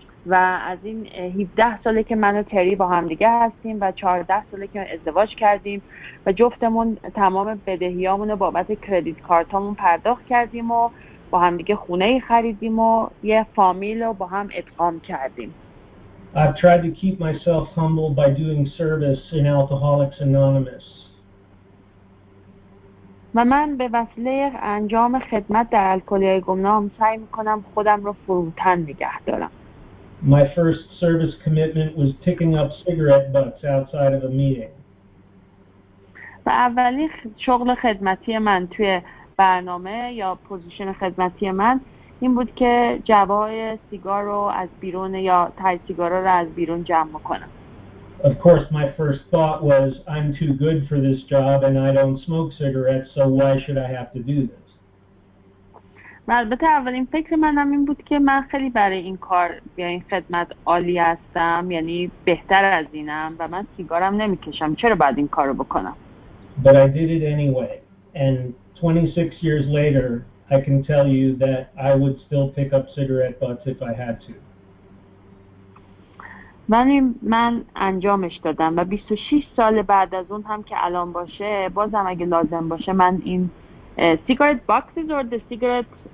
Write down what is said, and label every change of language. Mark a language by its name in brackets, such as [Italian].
[Persian] و از این 17 ساله که من و تری با هم دیگه هستیم و 14 ساله که ازدواج کردیم و جفتمون تمام بدهیامونو بابت کردیت کارتامون پرداخت کردیم و با هم دیگه خونه‌ای خریدیم و یه فامیل رو با هم ادغام کردیم. [English] I've tried to keep myself humble by doing service in Alcoholics Anonymous. [Persian] و من به وسیله انجام خدمت در الکلی‌های گمنام سعی می‌کنم خودم رو فروتن نگه دارم. [English] My first service commitment was picking up cigarette butts outside of a meeting. [Persian] و اولین شغل خدمتی من توی برنامه یا پوزیشن خدمتی من این بود که جوای سیگار رو از بیرون یا تای سیگار رو از بیرون جمع کنم. [English] Of course my first thought was I'm too good for this job and I don't smoke cigarettes, so why should I have to do this? [Persian] البته اولین فکر منم این بود که من خیلی برای این کار یا این خدمت عالی هستم، یعنی بهتر از اینم و من سیگارم نمیکشم، چرا باید این کار رو بکنم؟ [English] But I did it anyway and 26 years later, I can tell you that I would still pick up cigarette butts if I had to. [Persian] من انجامش دادم و 26 سال بعد از اون هم که الان باشه، بازم اگه لازم باشه من این [English] cigarette boxes or the cigarette